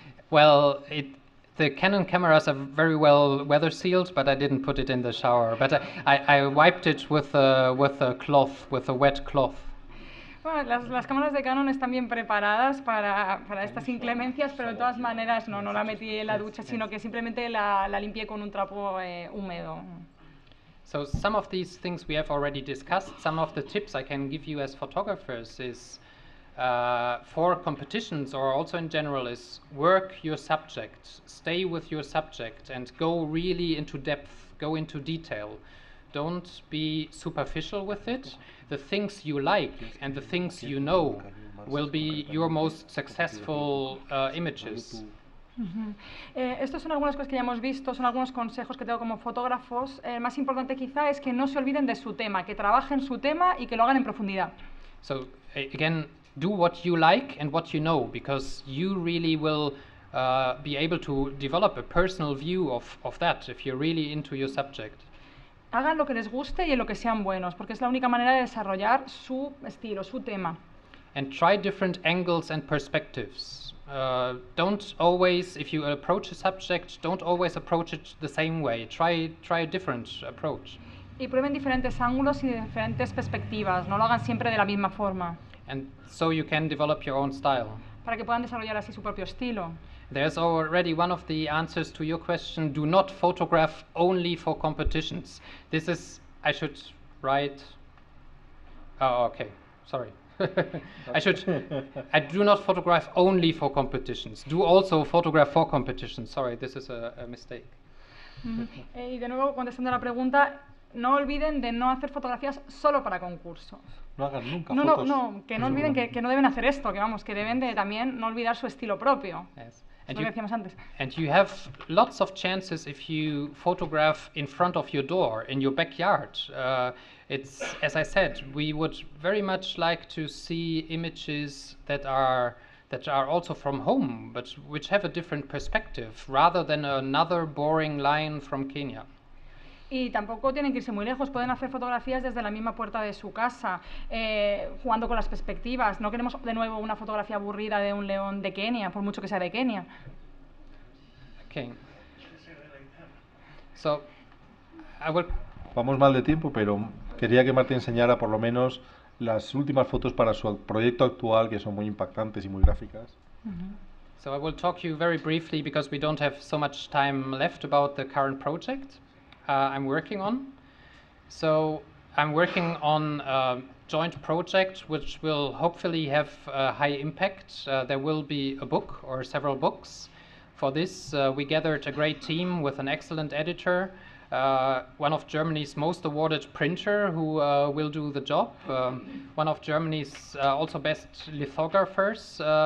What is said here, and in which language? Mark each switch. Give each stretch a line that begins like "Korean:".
English: Well, the Canon cameras are very well weather sealed, but I didn't put it in the shower. But I wiped it with a wet cloth.
Spanish: Bueno, las cámaras de Canon están bien preparadas para estas inclemencias, pero de todas maneras no la metí en la ducha, sino que simplemente la limpié con un trapo húmedo.
English: So some of these things we have already discussed. Some of the tips I can give you as photographers is for competitions or also in general is work your subject, stay with your subject and go really into depth, go into detail. Don't be superficial with it. The things you like and the things you know will be your most successful images.
Spanish: Estos son algunas cosas que ya hemos visto, son algunos consejos que tengo como fotógrafos. El más importante quizá es que no se olviden de su tema, que trabajen su tema y que lo hagan en profundidad.
English: So, again, do what you like and what you know, because you really will be able to develop a personal view of that if you're really into your subject.
Spanish: Hagan lo que les guste y en lo que sean buenos, porque es la única manera de desarrollar su estilo, su tema.
English: And try different angles and perspectives. Don't always, if you approach a subject, don't always approach it the same way. Try a different approach.
Spanish: Y prueben diferentes ángulos y diferentes perspectivas. No lo hagan siempre de la misma forma.
English: And so you can develop your own style.
Spanish: Para que puedan desarrollar así su propio estilo.
English: There's already one of the answers to your question. Do not photograph only for competitions. This is, I should write. Oh, okay. Sorry. I do not photograph only for competitions. Do also photograph for competitions. Sorry, this is a mistake.
Spanish: Y de nuevo, contestando a la pregunta, no olviden de no hacer fotografías solo para concursos. No hagan nunca fotos. No, que no olviden que no deben hacer esto, que vamos, que deben de también no olvidar su estilo propio.
English: Yes.
Spanish: Lo que decíamos antes.
English: And you have lots of chances if you photograph in front of your door, in your backyard. It's, as I said, we would very much like to see images that are also from home, but which have a different perspective, rather than another boring line from Kenya.
Spanish: Y tampoco tienen que irse muy lejos, pueden hacer fotografías desde la misma puerta de su casa, jugando con las perspectivas. No queremos de nuevo una fotografía aburrida de un león de Kenia, por mucho que sea de Kenia.
English: Okay. So, I will...
Spanish: Vamos mal de tiempo, pero quería que Martín enseñara por lo menos las últimas fotos para su proyecto actual, que son muy impactantes y muy gráficas.
English: So I will talk to you very briefly because we don't have so much time left about the current project. I'm working on. So I'm working on a joint project which will hopefully have a high impact. There will be a book or several books. For this, we gathered a great team with an excellent editor, one of Germany's most awarded printer who will do the job, one of Germany's also best lithographers.